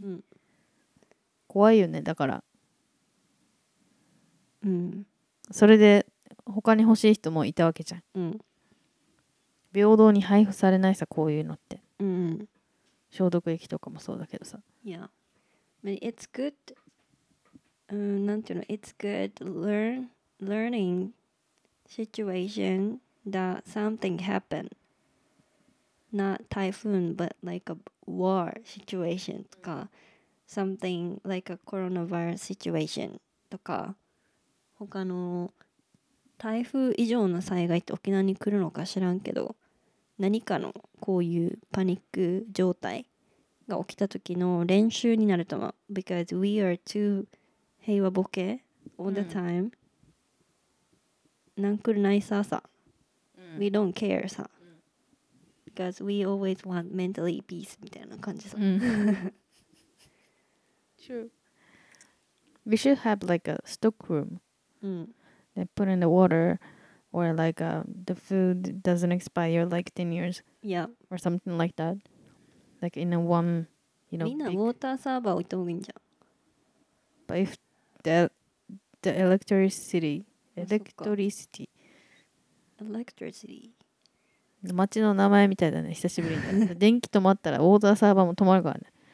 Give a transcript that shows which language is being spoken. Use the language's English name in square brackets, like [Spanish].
[Japanese] うん、怖いよね、だから、うん、それで他に欲しい人もいたわけじゃん、うん、平等に配布されないさ、こういうのって、うんうん、消毒液とかもそうだけどさ、いや、yeah. [English] It's good、 [Japanese] なんていうの、 [English] It's good learning situation that something happened not typhoon but like a war situation とか、mm-hmm. something like a coronavirus situation [Japanese] とか、他の台風以上の災害って沖縄に来るのか知らんけど、何かのこういうパニック状態が起きた時の練習になると思う。 [English] Because we are too 平和ボケ all the time、 [Japanese] うん、なんくるないさ、うん、 [English] We don't care さ、うん、Because we always want mentally peace [Japanese] みたいな感じさ、 [English] うん、True. We should have like a stock room、うん、 They put in the waterOr like、the food doesn't expire like 10 years. Yeah. Or something like that. Like in a one, you know. [Japanese] みんなウォーターサーバー置いてもいいんじゃん。 [English] But if the electricity. Electricity. Electricity. [Japanese] 街の名前みたいだね。久しぶりに。電気止まったらウォーターサーバーも止まるからね。